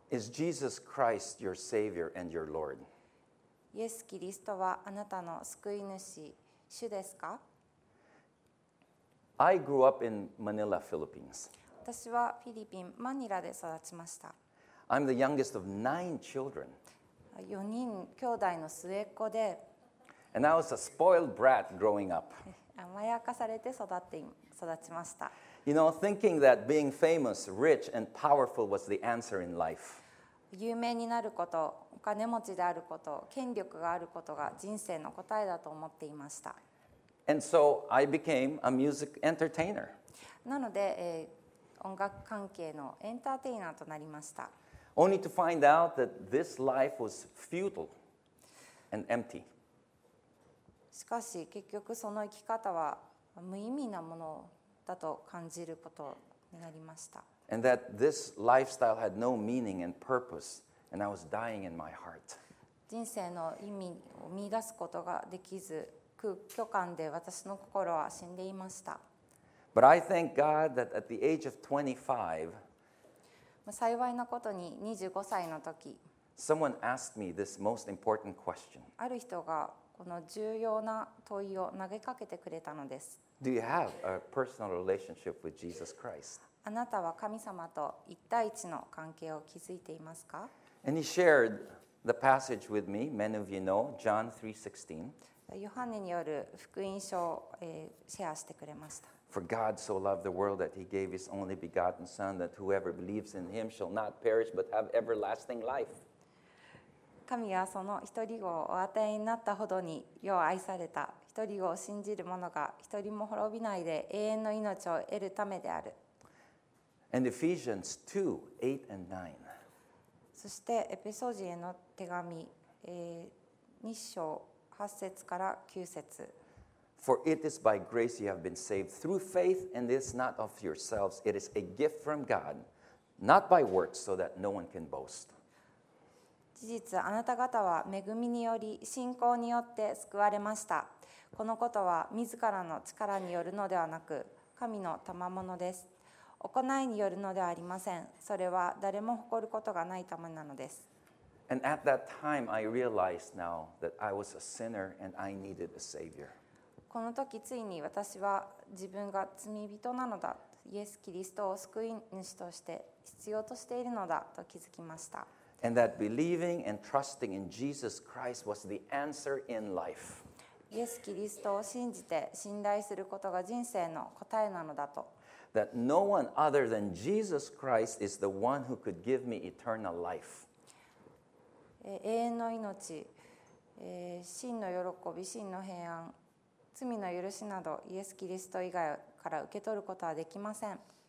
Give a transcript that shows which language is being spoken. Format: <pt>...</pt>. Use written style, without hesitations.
<en>Is Jesus Christ your Savior and your Lord?</en> <ja>イエス・キリストはあなたの救い主、主ですか?</ja> <en>I grew up in Manila, Philippines.</en> <ja>私はフィリピン、マニラで育ちました。</ja> <en>I'm the youngest of nine children.</en> <ja>4人兄弟の末っ子で。</ja> <en>And I was a spoiled brat growing up.</en> <ja>甘やかされて育ちました。</ja> <en>You know, thinking that being famous, rich, and powerful was the answer in life.</en> <ja>有名になること、お金持ちであること、権力があることが人生の答えだと思っていました。</ja> <en>And so I became a music entertainer.</en> <ja>なので、音楽関係のエンターテイナーとなりました。</ja> <en>Only to find out that this life was futile and empty.</en> <ja>しかし結局その生き方は無意味なものだと感じることになりました。</ja> <en>And that this lifestyle had no meaning and purpose, and I was dying in my heart.</en> <ja>人生の意味を見出すことができず、空虚感で私の心は死んでいました。</ja> <en>But I thank God that at the age of 25,</en> <ja>幸いなことに25歳の時、</ja> <en>Someone asked me this most important question.</en> <ja>ある人がこの重要な問いを投げかけてくれたのです。</ja> <en>Do you have a personal relationship with Jesus Christ?</en> <ja>あなたは神様と一対一の関係を築いていますか?</ja> <en>And he shared the passage with me, many of you know, John 3:16.</en> <ja>ヨハネによる福音書をシェアしてくれました。</ja> <en>For God so loved the world that he gave his only begotten son that whoever believes in him shall not perish but have everlasting life.</en> <ja>神はその一人子をお与えになったほどによう愛された。一人子を信じる者が一人も滅びないで永遠の命を得るためである。</ja> <en>And Ephesians 2, 8 and 9.</en> <ja>そしてエペソ人への手紙、2章8節から9節。</ja> <en>For it is by grace you have been saved through faith, and this not of yourselves. It is a gift from God, not by works, so that no one can boast.</en> <ja>事実、あなた方は恵みにより信仰によって救われました。このことは自らの力によるのではなく、神の賜物です。行いによるのではありません。それは誰も誇ることがないためなのです。</ja> <en>And at that time, I realized now that I was a sinner and I needed a savior.</en> <ja>この時ついに私は自分が罪人なのだ、イエス・キリストを救い主として必要としているのだと気づきました。</ja> <en>And that believing and trusting in Jesus Christ was the answer in life.</en> <ja>イエス・キリストを信じて信頼することが人生の答えなのだと。</ja> <en>That no one other than Jesus Christ is the one who could give me eternal life.</en> <ja>永遠の命、真の喜び、真の平安。罪の許しなどイエス・キリスト以外から受け取ることはできません。</ja>